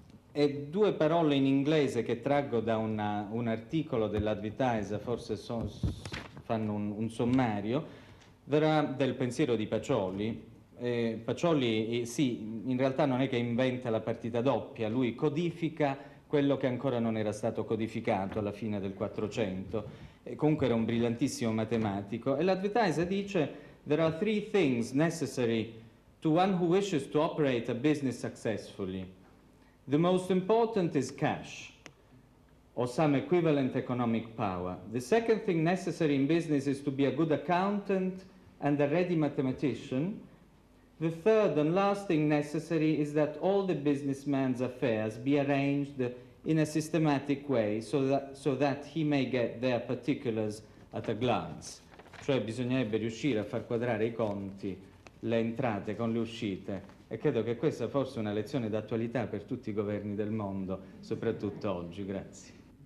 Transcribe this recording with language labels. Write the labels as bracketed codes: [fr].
[it] E due parole in inglese che traggo da un articolo dell'Advertiser, forse fanno un sommario, verrà del pensiero di Pacioli. Pacioli, in realtà non è che inventa la partita doppia, lui codifica quello che ancora non era stato codificato alla fine del 400. Comunque era un brillantissimo matematico. E l'Advertiser dice: [en] "There are three things necessary to one who wishes to operate a business successfully. The most important is cash. or some equivalent economic power. The second thing necessary in business is to be a good accountant and a ready mathematician. The third and last thing necessary is that all the businessman's affairs be arranged in a systematic way so that he may get their particulars at a glance. [it] Cioè bisognerebbe riuscire a far quadrare i conti, le entrate con le uscite. E credo che questa fosse una lezione d'attualità per tutti i governi del mondo, soprattutto oggi. Grazie.